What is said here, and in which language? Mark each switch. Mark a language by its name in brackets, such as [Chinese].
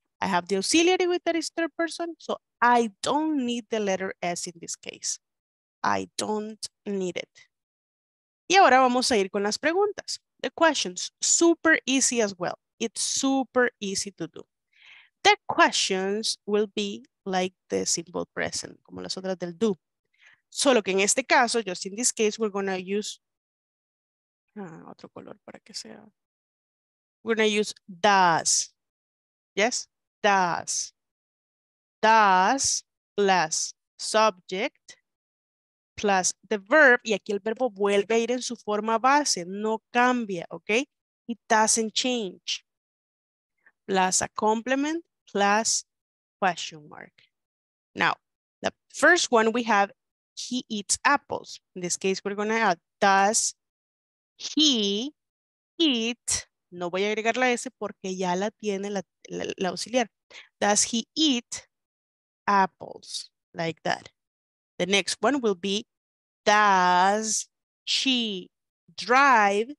[English] I have the auxiliary with that is third person, so I don't need the letter S in this case. I don't need it. [Spanish] Y ahora vamos a ir con las preguntas. [English] The questions, super easy as well. It's super easy to do. The questions will be like the simple present, [Spanish] como las otras del do. Solo que en este caso, [English] just in this case, we're going to use [Spanish] otro color para que sea. [English] We're going to use does. Yes? Does. Does plus subject plus the verb. [Spanish] Y aquí el verbo vuelve a ir en su forma base. No cambia, ¿ok? [English] It doesn't change. Plus a complement plus question mark. Now, the first one we have, he eats apples. In this case, we're going to add does. He eat, [Spanish] no voy a agregar la S porque ya la tiene la auxiliar. [English] Does he eat apples? Like that. The next one will be, does she drive?